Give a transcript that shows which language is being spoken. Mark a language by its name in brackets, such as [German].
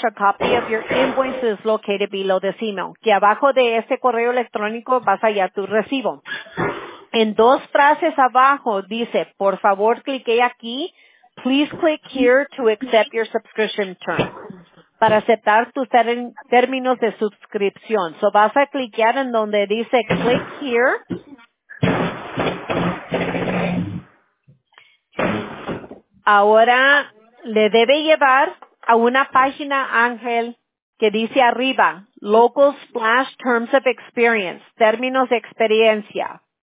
[English] A copy of your invoice is located below this email. [Spanish] Que abajo de este correo electrónico vas a hallar tu recibo. En dos frases abajo dice, por favor, clique aquí. [English] Please click here to accept your subscription term. [Spanish] Para aceptar tus términos de suscripción. So, vas a cliquear en donde dice, [English] click here. [Spanish] Ahora le debe llevar a una página, Ángel, que dice arriba, Local Splash Terms of Experience, términos de experiencia.